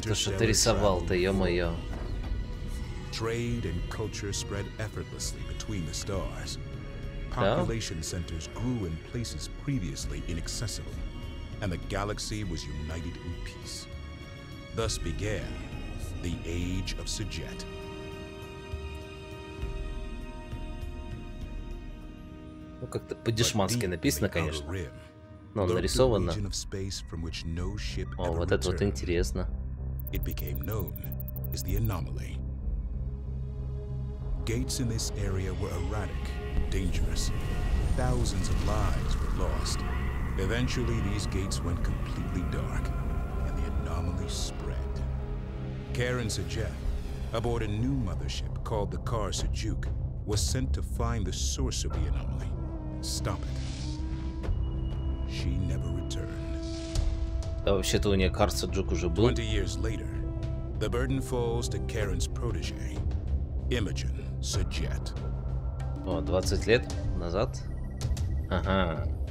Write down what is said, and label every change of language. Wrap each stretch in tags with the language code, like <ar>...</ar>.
<ru>Кто же это рисовал-то, ё-моё.</ru> <en>Trade and culture spread effortlessly between the stars. Population centers grew in places previously inaccessible, and the galaxy was united in peace. Thus began the Age of Sajet.</en> <ru>Ну, как-то по-дешмански написано, конечно. Но нарисовано. О, вот returned. Это вот интересно.</ru> <en>It became known as the anomaly. Gates in this area were erratic, dangerous. Thousands of lives were lost. Eventually, these gates went completely dark, and the anomaly spread. Karen Sajet, aboard a new mothership called the Kar Sajuk, was sent to find the source of the anomaly. Stop it. She never returned.</en> <ru>Да, вообще-то у нее Кар Саджук уже был.</ru> <en>20 years later, the burden falls to Karen's protege, Imogen Sajet.</en> <ru>О, 20 лет назад? Ага.</ru>